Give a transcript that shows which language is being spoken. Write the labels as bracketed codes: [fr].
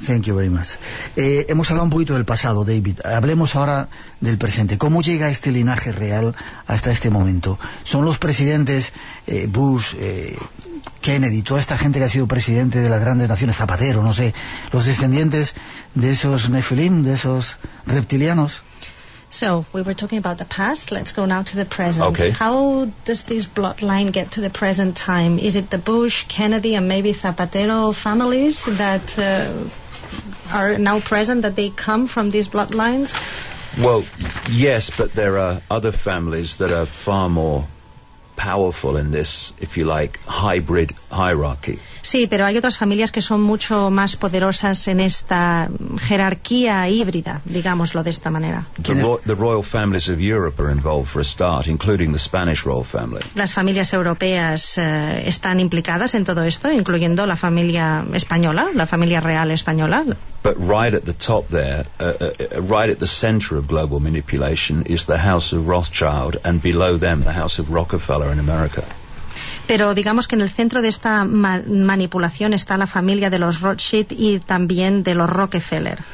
[en] Thank you very much. [es] Hemos hablado un poquito del pasado, David. Hablemos ahora del presente. ¿Cómo llega este linaje real hasta este momento? ¿Son los presidentes Bush, Kennedy, toda esta gente que ha sido presidente de las grandes naciones, Zapatero, no sé, los descendientes de esos Nephilim, de esos reptilianos? [en] So, we were talking about the past, let's go now to the present. Okay. How does this bloodline get to the present time? Is it the Bush, Kennedy and maybe Zapatero families that are now present, that they come from these bloodlines? Well, yes, but there are other families that are far more powerful in this, if you like, hybrid hierarchy. [es] Sí, pero hay otras familias que son mucho más poderosas en esta jerarquía híbrida, digámoslo de esta manera. [en] The royal families of Europe are involved for a start, including the Spanish royal family. [es] Las familias europeas están implicadas en todo esto, incluyendo la familia española, la familia real española. [en] But right at the top there, right at the center of global manipulation is the House of Rothschild, and below them the House of Rockefeller in America. [es] Pero digamos que en el centro de esta manipulación está la familia de los Rothschild y también de los Rockefeller.